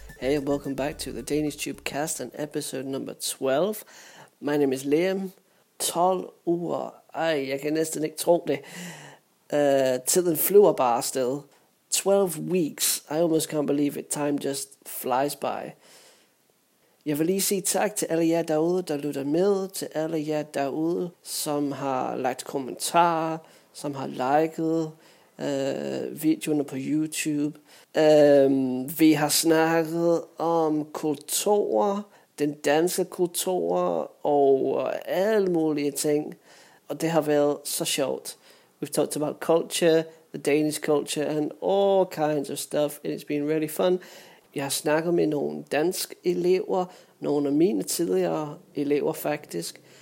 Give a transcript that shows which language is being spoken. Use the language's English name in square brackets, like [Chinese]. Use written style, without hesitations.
[English] Hey, welcome back to the Danish Tube Cast and episode number 12. My name is Liam. [Danish] 12 uger. Ej, jeg kan næsten ikke tro det. Tiden flyver bare afsted. [English] 12 weeks. I almost can't believe it. Time just flies by. [Danish] Jeg vil lige sige tak til alle jer derude, der lytter med, til alle jer derude, som har lagt kommentarer, som har liket videoerne på YouTube. Vi har snakket om kulturer, den danske kultur og alle mulige ting, og det har været så sjovt. [English] We've talked about culture, the Danish culture and all kinds of stuff, and it's been really fun. [Danish] Jeg har snakket med nogle danske elever, nogle af mine tidligere elever faktisk.